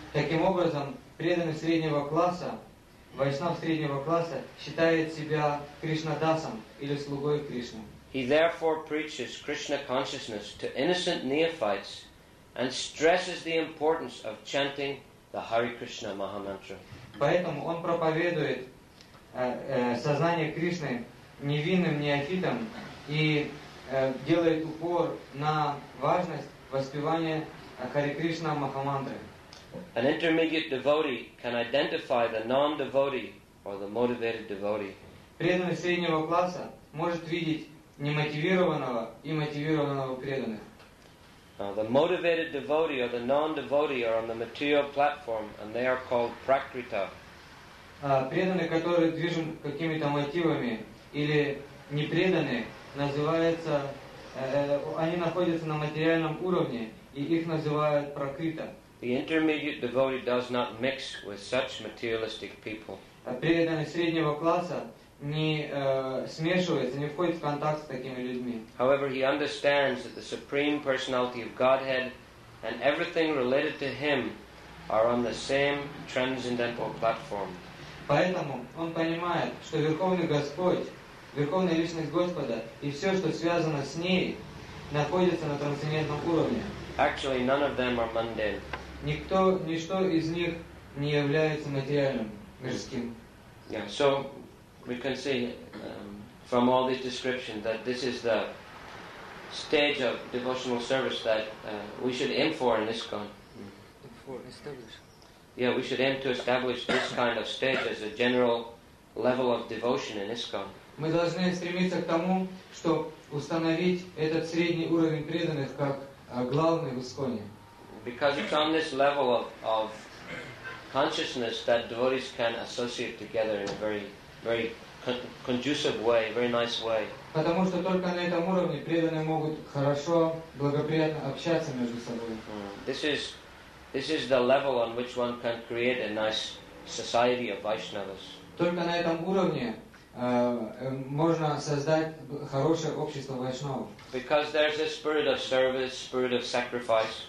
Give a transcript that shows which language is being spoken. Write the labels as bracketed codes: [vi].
[ru] Таким образом, преданный среднего класса, Вайшнав среднего класса, считает себя Кришнадасом или слугой Кришны. [en] He therefore preaches Krishna consciousness to innocent neophytes and stresses the importance of chanting the Hare Krishna Mahamantra. [ru] Поэтому он проповедует сознание Кришны невинным неофитам и делает упор на важность воспевания Hare Krishna Mahamantra. [en] An intermediate devotee can identify the non-devotee or the motivated devotee. [ru] Преданный среднего класса может видеть немотивированного и мотивированного преданных. [en] The motivated devotee or the non-devotee are on the material platform and they are called prakrita. [ru] Преданные, которые движим какими-то мотивами, или непреданные, называются, они находятся на материальном уровне и их называют прокрита. [en] The intermediate devotee does not mix with such materialistic people. [ru] Преданный среднего класса не смешивается, не входит в контакт с такими людьми. [en] However, he understands that the Supreme Personality of Godhead and everything related to him are on the same transcendental platform. [ru] Поэтому он понимает, что Верховный Господь, Верховная Личность Господа и все, что связано с ней, находится на трансцендентном уровне. [en] Actually, none of them are mundane. [ru] Ничто из них не является материальным, мирским. [en] Yeah, so we can see from all these descriptions that this is the stage of devotional service that we should aim for in ISKCON. Yeah, we should aim to establish this kind of stage as a general level of devotion in ISKCON. [ru] Мы должны стремиться к тому, чтобы установить этот средний уровень преданных как главный в ИСККОНе. [en] Because it's on this level of consciousness that devotees can associate together in a very, very conducive way, very nice way. [ru] Потому что только на этом уровне преданные могут хорошо, благоприятно общаться между собой. [en] This is the level on which one can create a nice society of Vaishnavas. [ru] Только на этом уровне можно создать хорошее общество вайшнавов. [en] Because there's a spirit of service, spirit of sacrifice.